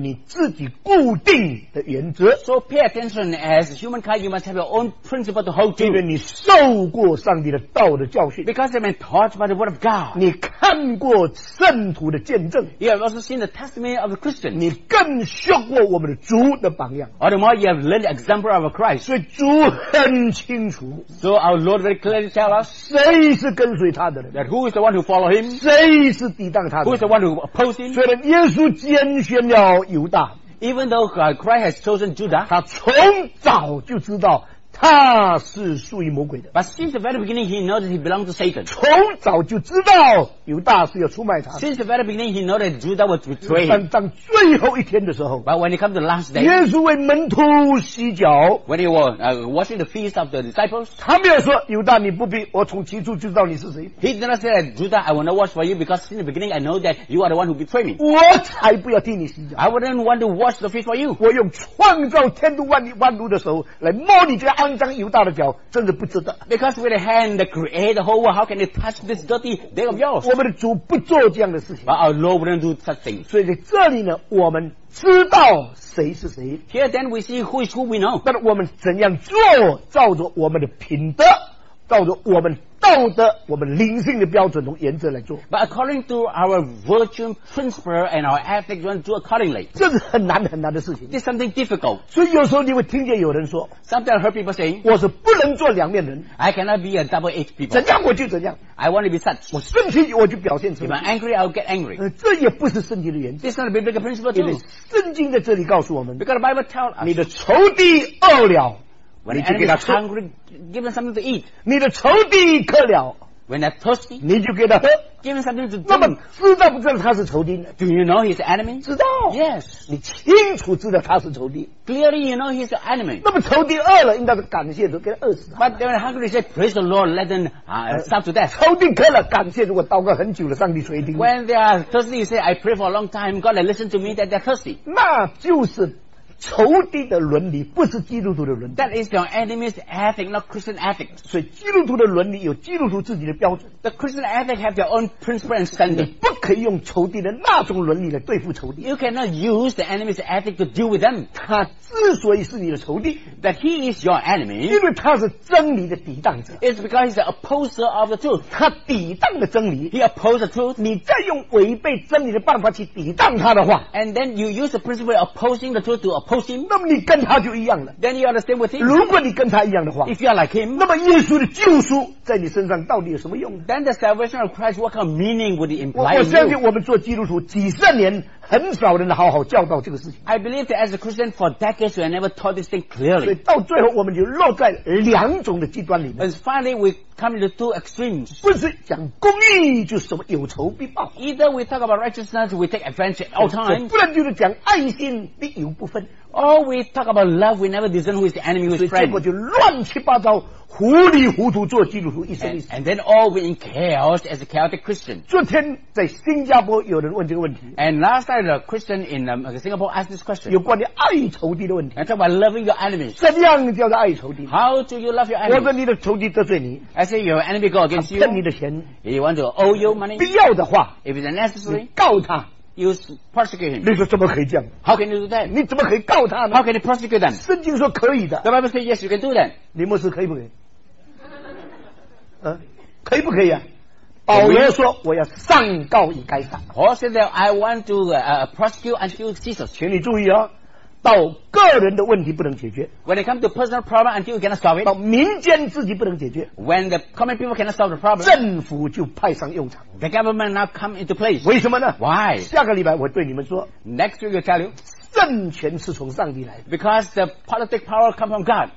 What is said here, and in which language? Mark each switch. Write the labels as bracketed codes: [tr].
[zh] 所以请要注意你伟人要有你自己固定的原则, [en] so pay attention, as humankind you must have your own principle to hold to, [zh] 因为你受过上帝的道的教训, [en] because you've been taught by the word of God, [zh] 你看过圣徒的见证, [en] you have also seen the testimony of the Christian, [zh] 你更学过我们的主的榜样, [en] or the more you have learned the example of Christ. [zh] 所以主很清楚, [en] so our Lord very clearly tell us, [zh] 谁是跟随他的人, [en] that who is the one who follow him, [zh] 谁是抵挡他的人, [en] who is the one who oppose him. [zh] 虽然耶稣拣选了犹大, [en] even though Christ has chosen Judah, [zh] 他从早就知道他是属于魔鬼的。 [en] But since the very beginning, he knows that he belongs to Satan. [zh] 从早就知道有大事要出卖他。 [en] Since the very beginning, he knows that Judas was betrayed. [zh] 但当最后一天的时候 [en] ，But when it comes to the last day, [zh] 耶稣为门徒洗脚 [en] ，When he was washing the feet of the disciples, [zh] 他没有说犹大你不必，我从起初就知道你是谁。 [en] He did not say that Judas, I will not wash for you because since the beginning I know that you are the one who betrayed me. [zh] 我才不要替你洗脚。 [en] I wouldn't want to wash the feet for you. [zh] 我用创造天地万物的手来摸你这样。脏犹大的脚真的不值得。 [en] Because with a hand that created the whole world, how can it touch this dirty day of yours? [zh] 我们的主不做这样的事情。 [en] But our Lord wouldn't do such things. [zh] 所以在这里呢，我们知道谁是谁。 [en] Here then we see who is who we know. [zh] 但我们怎样做，照着我们的品德，照着我们道德，我们灵性的标准和原则来做。 [en] But according to our virtue principle and our ethics, we do accordingly. [zh] 这是很难很难的事情。 [en] This is something difficult. [zh] 所以有时候你会听见有人说 [en] ，Sometimes I heard people saying， [zh] 我是不能做两面人。 [en] I cannot be a double edged people. [zh] 怎样我就怎样。 [en] I want to be such. [zh] 我生气我就表现出来。 [en] If I'm angry, I'll get angry. [zh] 这也不是圣经的原则。 [en] This is not a biblical principle too. [zh] 圣经在这里告诉我们 [en] ，Because the Bible tells us， [zh] 你的仇敌饿了。 [en] When the enemy is hungry, give him something to eat. [zh] 你的仇敌渴了。 [en] When they're thirsty, [zh] 你就给他喝。 [en] Give him something to drink. [zh] 那么知道不知道他是仇敌呢？ [en] Do you know he's enemy? [zh] 知道。 [en] Yes. [zh] 你清楚知道他是仇敌。 [en] Clearly you know he's enemy. [zh] 那么仇敌饿了，应该感谢主给他饿死他。 [en] But they're hungry, say, praise the Lord, let them starve to death. [zh] 仇敌渴了，感谢主，我祷告很久了，上帝垂听。 [en] When they are thirsty, you say, I pray for a long time, God, they listen to me that they're thirsty. [zh] 那就是。仇敌的伦理不是基督徒的伦理。 [en] That is your enemy's ethic, not Christian ethic. [zh] 所以基督徒的伦理有基督徒自己的标准。 [en] The Christian ethic have their own principle and standard. [zh] 你不可以用仇敌的那种伦理来对付仇敌。 [en] You cannot use the enemy's ethic to deal with them. [zh] 他之所以是你的仇敌 [en] ，that he is your enemy， [zh] 因为他是真理的抵挡者。 [en] It's because he's an opposer of the truth. [zh] 他抵挡了真理 [en] ，he opposes the truth. [zh] 你再用违背真理的办法去抵挡他的话 [en] ，and then you use the principle of opposing the truth to oppose。 [zh] 那么你跟他就一样了。 [en] Then you understand with him. [zh] 如果你跟他一样的话 [en] ，If you are like him， [zh] 那么耶稣的救赎在你身上到底有什么用 [en] ？Then the salvation of Christ, what kind of meaning would it imply? [zh] 我相信我们做基督徒几十年，很少人好好教导这个事情。 [en] I believe that as a Christian for decades, we never taught this thing clearly. [zh] 所以到最后，我们就落在两种的极端里面。 [en] And finally, we come to two extremes. [zh] 不是讲公义，就是什么有仇必报。 [en] Either we talk about righteousness, we take advantage all time. [zh] 不然就是讲爱心，理由不分。 [en] Or we talk about love, we never discern who is the enemy, who is friend. [zh] 结果就乱七八糟，糊里糊涂做基督徒一生一世。 [en] And then all we in chaos as a chaotic Christian. [zh] 昨天在新加坡有人问这个问题。 [en] And last night a Christian in Singapore asked this question. [zh] 有关于爱仇敌的问题。 [en] And talk about loving your enemies. [zh] 怎样叫做爱仇敌？ [en] How do you love your enemies? [zh] 我说你的仇敌得罪你。 [en] I say your enemy go against you. [zh] 骗你的钱。 [en] He want to owe you money. [zh] 必要的话。 [en] If it's necessary. [zh] 告他。 [en] You persecute him. [zh] 你说怎么可以这样？ [en] How can you do that? [zh] 你怎么可以告他呢？ [en] How can you persecute them? [zh] 圣经说可以的。 [en] The Bible says yes, you can do that. [zh] 你牧师可以不可以？可以不可以啊？保罗说我要上告于该撒。 [en] Paul said that I want to prosecute until Jesus. [zh] 请你注意哦，到个人的问题不能解决。 [en] When it comes to personal problem, until you cannot solve it. [zh] 到民间自己不能解决。 [en] When the common people cannot solve the problem, [zh] 政府就派上用场。 [en] The government now come into place. [zh] 为什么呢 [en] ？Why? [zh] 下个礼拜我对你们说。 [en] Next week I tell you. [zh] 政权是从上帝来的。 [en] Because the political power come from God.